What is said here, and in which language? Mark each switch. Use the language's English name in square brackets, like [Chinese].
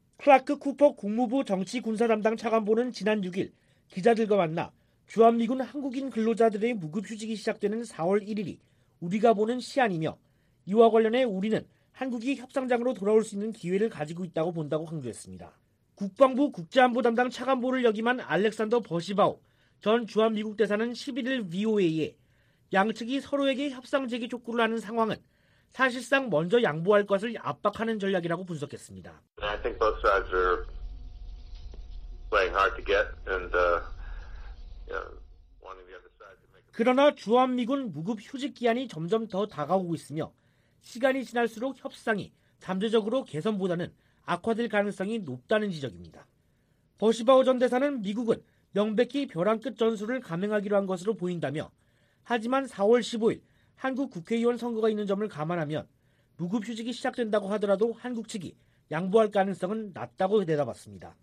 [Korean] 클라크 쿠퍼 국무부 정치군사담당 차관보는 지난 6일 기자들과 만나 주한미군 한국인 근로자들의 무급휴직이 시작되는 4월 1일이 우리가 보는 시한이며 이와 관련해 우리는 한국이 협상장으로 돌아올 수 있는 기회를 가지고 있다고 본다고 강조했습니다. 국방부 국제안보 담당 차관보를 역임한 알렉산더 버시바오 전 주한미국 대사는 11일 VOA에 양측이 서로에게 협상 재개 촉구를 하는 상황은 사실상 먼저 양보할 것을 압박하는 전략이라고 분석했습니다. [English] I think both sides are playing hard to get and wanting the other side to make. [Korean] 그러나 주한미군 무급 휴직 기한이 점점 더 다가오고 있으며 시간이 지날수록 협상이 잠재적으로 개선보다는 악화될 가능성이 높다는 지적입니다. 버시바오 전 대사는 미국은 명백히 벼랑 끝 전술을 감행하기로 한 것으로 보인다며 하지만 4월 15일 한국 국회의원 선거가 있는 점을 감안하면 무급휴직이 시작된다고 하더라도 한국 측이 양보할 가능성은 낮다고 대답했습니다.